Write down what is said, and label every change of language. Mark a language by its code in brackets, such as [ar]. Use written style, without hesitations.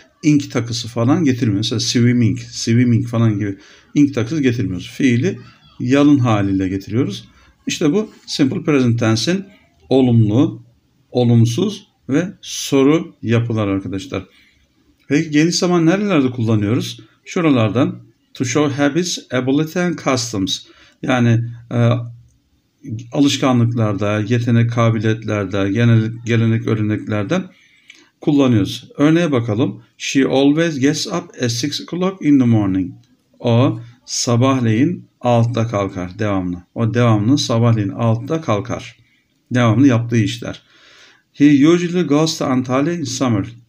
[tr] Ink takısı falan getirmiyoruz. Mesela swimming, swimming falan gibi ink takısı getirmiyoruz. Fiili yalın haliyle getiriyoruz. İşte bu simple present tense'in olumlu, olumsuz ve soru yapılar arkadaşlar. Peki geniş zaman nerelerde kullanıyoruz? Şuralardan [en] to show habits, ability and customs. [tr] Yani alışkanlıklarda, yetenek kabiliyetlerde, gelenek örneklerde kullanıyoruz. Örneğe bakalım. [en] She always gets up at 6 o'clock in the morning. [tr] O sabahleyin 6'da kalkar devamlı. O devamlı sabahleyin 6'da kalkar. Devamlı yaptığı işler. [en] He usually goes to Antalya in summer.